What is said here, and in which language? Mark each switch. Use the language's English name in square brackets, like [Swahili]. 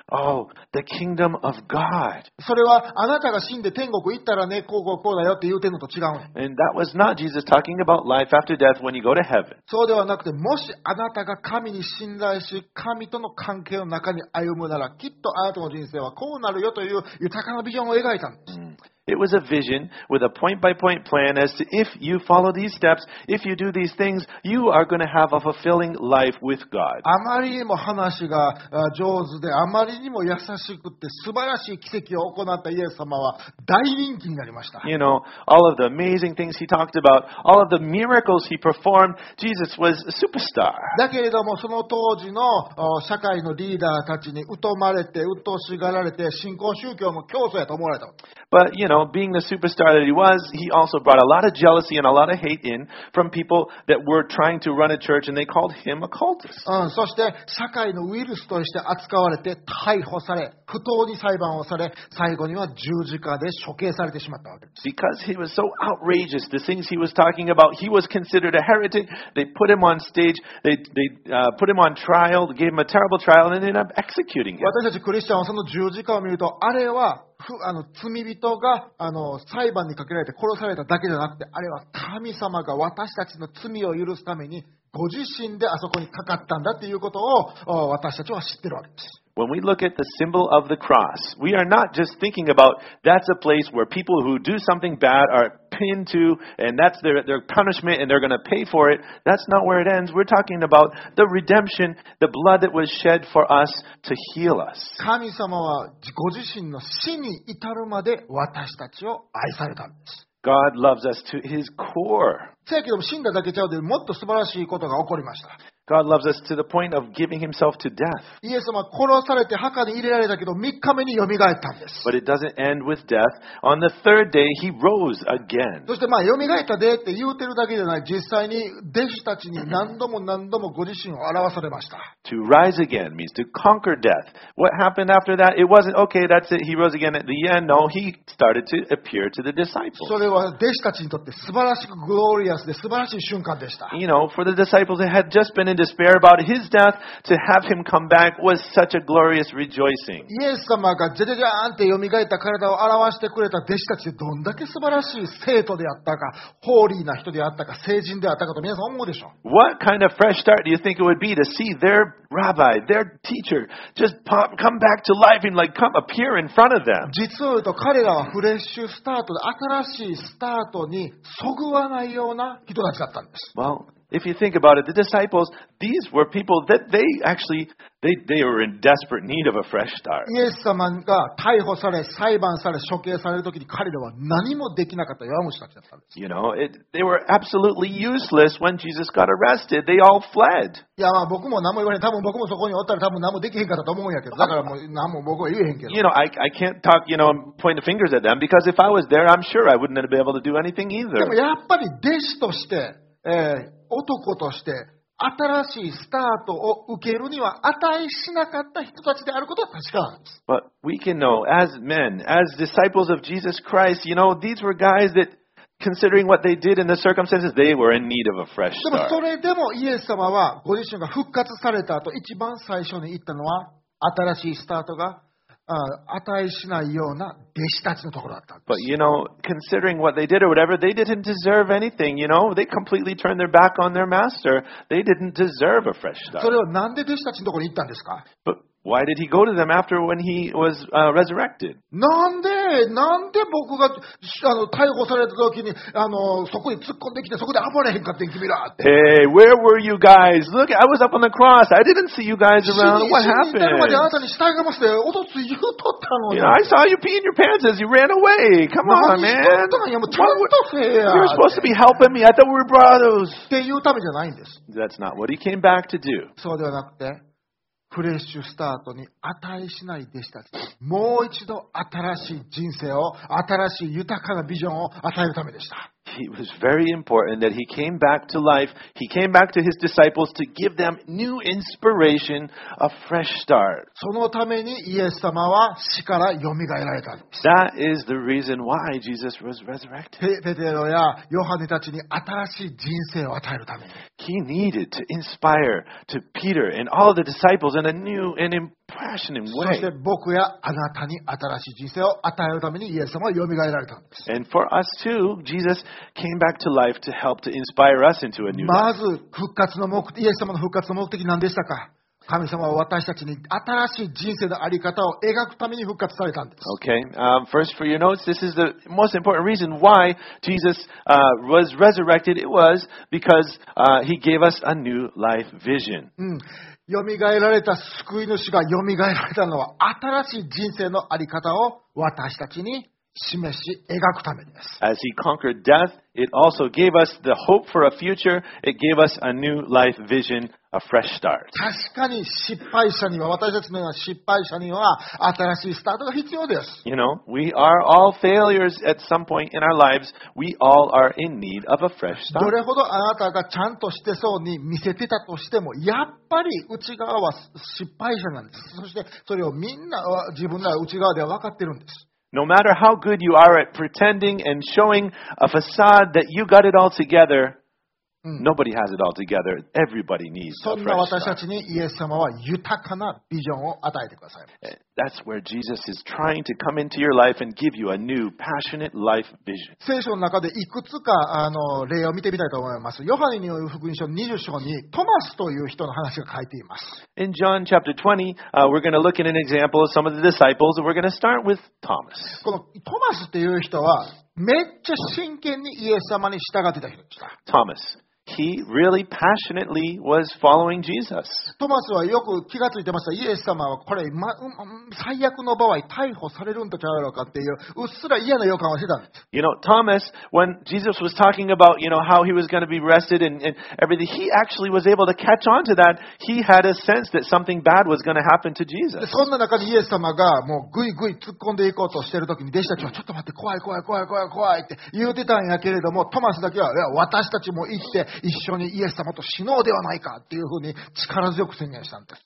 [English] Oh, the kingdom of God. [Japanese] それはあなたが死んで天国行ったらね、こうこうこうだよって言うてんのと違う。 [English] And that was not Jesus talking about life after death when you go to heaven. [Japanese] そうではなくて、もしあなたが神に信頼し、神との関係の中に歩むなら、きっとあなたの人生はこうなるよという豊かなビジョンを描いたんです。 [English] It was a vision with a point by point plan as to if you follow these steps, if you do these things, you are going to have a fulfilling life with God. [Japanese] あまりにも話が上手で、あまりにも優しくて素晴らしい奇跡を行ったイエス様は大人気になりました。 [English] You know, all of the amazing things he talked about, all of the miracles he performed, Jesus was a superstar. [Japanese] だけれどもその当時の社会のリーダーたちに疎まれて、鬱陶しがられて、新興宗教の教祖やと思われた。 [English] But, you know, being the superstar that he was, he also brought a lot of jealousy and a lot of hate in from people that were trying to run a church, and they called him a cultist. [Japanese] そして社会のウイルスとして扱われて逮捕され、不当に裁判をされ、最後には十字架で処刑されてしまったわけです。 [English] Because he was so outrageous, the things he was talking about, he was considered a heretic. They put him on stage, they put him on trial, gave him a terrible trial, and ended up executing him. [Japanese] 私たちクリスチャンはその十字架を見ると、あれは罪人が裁判にかけられて殺されただけじゃなくて、あれは神様が私たちの罪を許すためにご自身であそこにかかったんだということを私たちは知ってるわけです。 [English] When we look at the symbol of the cross, we are not just thinking about that's a place where people who do something bad are pinned to, and that's their punishment, and they're going to pay for it. That's not where it ends. We're talking about the redemption, the blood that was shed for us to heal us. [Japanese] 神様はご自身の死に至るまで私たちを愛されたんです。 [English] God loves us to his core. [Japanese] せやけども死んだだけちゃうで、もっと素晴らしいことが起こりました。 [English] God loves us to the point of giving himself to death. [Japanese] イエス様は殺されて墓に入れられたけど、3日目によみがえったんです。 [English] But it doesn't end with death. On the third day, he rose again. [Japanese] そしてまあ、よみがえったでって言うてるだけじゃない。実際に弟子たちに何度も何度もご自身を表されました。 [English] To rise again means to conquer death. What happened after that? It wasn't, okay, that's it, he rose again at the end. No, he started to appear to the disciples. [Japanese] それは弟子たちにとって素晴らしくグローリアスで素晴らしい瞬間でした。 [English] You know, for the disciples, it had just beenin despair about his death, to have him come back was such a glorious rejoicing. [Japanese] イエス様がジェジェジャーンって蘇った体を表してくれた弟子たちどんだけ素晴らしい生徒であったか、ホーリーな人であったか、聖人であったかと皆さん思うでしょう。 [English] What kind of fresh start do you think it would be to see their rabbi, their teacher, just pop, come back to life and like come appear in front of them? [Japanese] 実を言うと彼らはフレッシュスタートで新しいスタートにそぐわないような人たちだったんです。 [English] Well,If you think about it, the disciples, these were people that they actually, they were in desperate need of a fresh start. [Japanese] イエス様が逮捕され、裁判され、処刑されるときに彼らは何もできなかった弱虫たちだったんです。 [English] You know, they were absolutely useless when Jesus got arrested. They all fled. [Japanese] いや、まあ僕も何も言わへん。多分僕もそこにおったら多分何もできへんかったと思うんやけど。だからもう何も僕は言えへんけど。 [English] You know, I can't talk, you know, point the fingers at them because if I was there, I'm sure I wouldn't have been able to do anything either. [Japanese] でもやっぱり弟子として、男として新しいスタートを受けるには値しなかった人たちであることは確かなんです。 [English] But we can know as men, as disciples of Jesus Christ, you know, these were guys that, considering what they did in the circumstances, they were in need of a fresh start. [Japanese] でもそれでもイエス様はご自身が復活された後、一番最初に言ったのは新しいスタートが値しないような弟子たちのところだったんです。 [English] But you know, considering what they did or whatever, they didn't deserve anything. You know, they completely turned their back on their master. They didn't deserve a fresh start. [Japanese] それはなんで弟子たちのところに行ったんですか？ [English] But why did he go to them after when he was resurrected? [Japanese] なんで僕が逮捕された時にそこに突っ込んできてそこで暴れへんかってん君らって。 [English] Hey, where were you guys? Look, I was up on the cross. I didn't see you guys around. What happened? [Japanese] 死んでるまであなたに死体がまして音つ言うとったのに。 [English] You know, I saw you peeing your pants as you ran away. Come on, man. [Japanese] 何しとったんや、もうちゃんとせえや。 [English] You were supposed to be helping me. I thought we were brothers. [Japanese] っていうためじゃないんです。 [English] That's not what he came back to do. [Japanese] そうではなくて。フレッシュスタートに値しない弟子たち、もう一度新しい人生を、新しい豊かなビジョンを与えるためでした。 [English] He was very important that he came back to life. He came back to his disciples to give them new inspiration, a fresh start. [Japanese] そのためにイエス様は死からよみがえられたんです。 [English] That is the reason why Jesus was resurrected. [Japanese] ペテロやヨハネたちに新しい人生を与えるために。 [English] He needed to inspire to Peter and all the disciples in a new and impassioning way. [Japanese] そして僕やあなたに新しい人生を与えるためにイエス様はよみがえられたんです。 [English] And for us too, JesusCame back to life to help to inspire us into a new life. [Japanese] まず復活の目的、イエス様の復活の目的何でしたか？神様は私たちに新しい人生のあり方を描くために復活されたんです。 [English] Okay. First for your notes, this is the most important reason why Jesus, was resurrected. It was because, he gave us a new life vision. うん。 [Japanese] 蘇られた救い主が蘇られたのは新しい人生のあり方を私たちに示し描くためです。 [English] As he conquered death, it also gave us the hope for a future. It gave us a new life vision. A fresh start. [Japanese] 確かに失敗者には、私たちのような失敗者には新しいスタートが必要です。 [English] You know, we are all failures at some point in our lives. We all are in need of a fresh start. [Japanese] どれほどあなたがちゃんとしてそうに見せてたとしても、やっぱり内側は失敗者なんです。そしてそれをみんな自分の内側では分かってるんです。 [English] No matter how good you are at pretending and showing a facade that you got it all together,Nobody has it all together. Everybody needs a fresh start. [Japanese] そんな私たちにイエス様は豊かなビジョンを与えてください。 [English] That's where Jesus is trying to come into your life and give you a new passionate life vision. [Japanese] 聖書の中でいくつか例を見てみたいと思います。ヨハネによる福音書20章にトマスという人の話が書いています。 [English] In John chapter 20, we're going to look at an example of some of the disciples, and we're going to start with Thomas. [Japanese] このトマスという人はめっちゃ真剣にイエス様に従ってた人でした。 [English] Thomas. He really passionately was following Jesus. [Japanese] Thomas はよく気がついてました。イエス様はこれ、最悪の場合逮捕されるんじゃないのかっていううっすら嫌な予感をしてたんです。 [English] You know, Thomas, when Jesus was talking about, you know, how he was going to be arrested and everything, he actually was able to catch on to that. He had a sense that something bad was going to happen to Jesus. [Japanese] そんな中でイエス様がもうぐいぐい突っ込んでいこうとしてる時に弟子たちはちょっと待って怖い怖い怖い怖い怖いって言ってたんやけれども、トマスだけはいや私たちも行って一緒にイエス様と死のうではないかっていうふうに力強く宣言したんです。